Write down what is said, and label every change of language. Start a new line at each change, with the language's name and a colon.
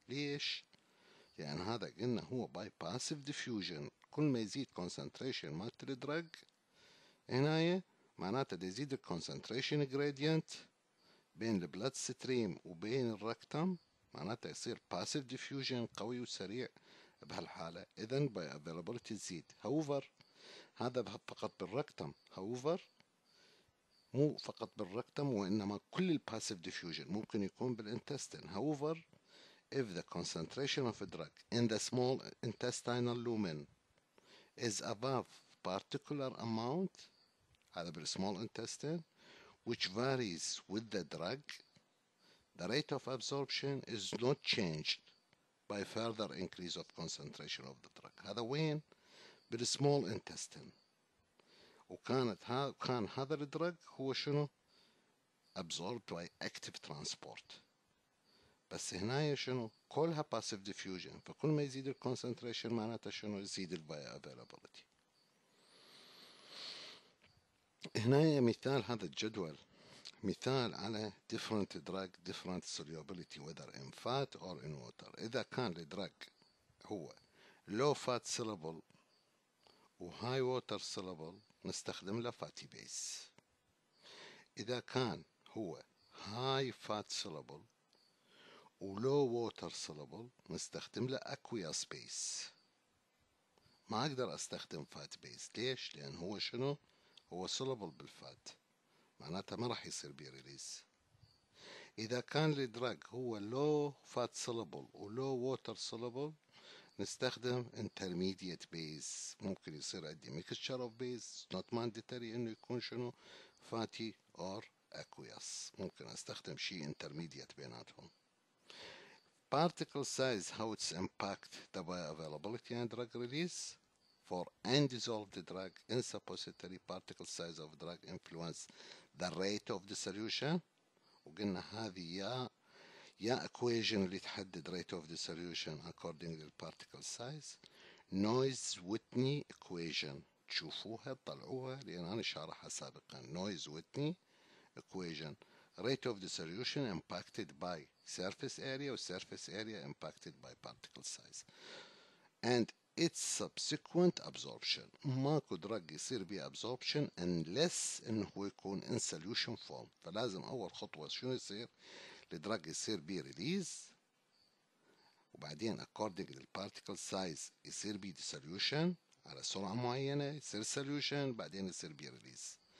Arabic: ليش؟ يعني هذا قلنا هو باي باسيف ديفيوجن، كل ما يزيد كونسنتريشن مالت الدرج هنايا معناته يزيد الكونسنتريشن جريدينت بين البلاد ستريم وبين الركتم، معناته يصير باسيف ديفيوجن قوي وسريع بهالحاله، اذا باي افيلابيلتي تزيد. هاوفر هذا فقط بالركتم، هاوفر مو فقط بالركتم وانما كل الباسيف ديفيوجن ممكن يكون بالانتستين.
English: However if the concentration of a drug in the small intestinal lumen is above particular amount at the small intestine which varies with the drug, the rate of absorption is not changed by further increase of concentration of the drug.
Arabic: هذا وين؟ بالsmall intestine. وكانت كان هذا الدرج هو شنو؟
English: absorbed by active transport.
Arabic: بس هنا شنو؟ كلها passive diffusion، فكل ما يزيد الconcentration معناته شنو؟ يزيد bioavailability.
English: هنا مثال هذا الجدول مثال على different drug different solubility whether in fat or in water.
Arabic: إذا كان الدرج هو low fat soluble و high water soluble نستخدم له fatty base. إذا كان هو high fat soluble و low water soluble نستخدم له aqueous base. ما أقدر أستخدم fat base، ليش؟ لأن هو شنو؟ هو soluble بالفات، معناته ما راح يصير بي ريليز. إذا كان الدرج هو low fat soluble و low water soluble نستخدم intermediate base، ممكن يصير عندي
English: mixture of base، not mandatory
Arabic: إنه يكون شنو؟
English: fatty or aqueous،
Arabic: ممكن أستخدم شيء intermediate بيناتهم.
English: Particle size, how it's impact the bioavailability and drug release. For undissolved drug in suppository, particle size of drug influence the rate of dissolution.
Arabic: وقلنا هذه يا equation اللي تحدد
English: rate of dissolution according to the particle size.
Arabic: Noyes-Whitney equation تشوفوها طلعوها لأن أنا شارحها سابقا.
English: Noyes-Whitney equation rate of dissolution impacted by surface area or surface area impacted by particle size and its subsequent absorption.
Arabic: ماكو درج يصير بيه absorption unless إن هو يكون
English: in solution form.
Arabic: فلازم أول خطوة شنو يصير؟ الدرج يصير بيه release وبعدين
English: according to the particle size
Arabic: يصير بيه dissolution على سرعة معينة يصير solution بعدين يصير بيه release.